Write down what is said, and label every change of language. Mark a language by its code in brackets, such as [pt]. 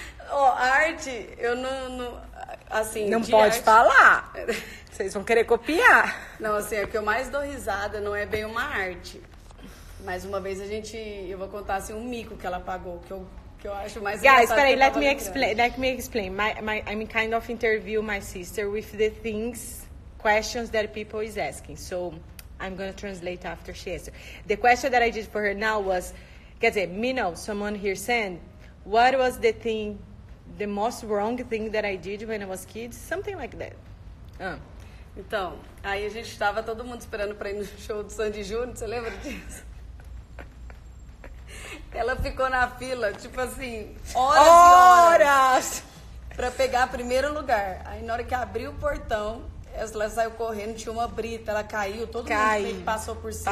[pt] Oh, arte, eu não assim, não pode arte... falar. Vocês vão querer copiar. Não, assim, é que eu mais dou risada, não é bem uma arte. Mas uma vez a gente, eu vou contar assim, um mico que ela pagou, que eu acho mais engraçado. [en] Guys, peraí, let me explain. I'm kind of interview my sister with the things, questions that people is asking. So, I'm going to translate after she answers. The question that I did for her now was, [pt] quer dizer, [en] me know, someone here said, what was the thing, the most wrong thing that I did when I was kid? Something like that. [pt] Então, aí a gente estava todo mundo esperando para ir no show do Sandy Júnior, você lembra disso? Ela ficou na fila, tipo assim, horas para pegar primeiro lugar. Aí na hora que abriu o portão, ela saiu correndo, tinha uma brita, ela caiu, todo mundo passou por cima.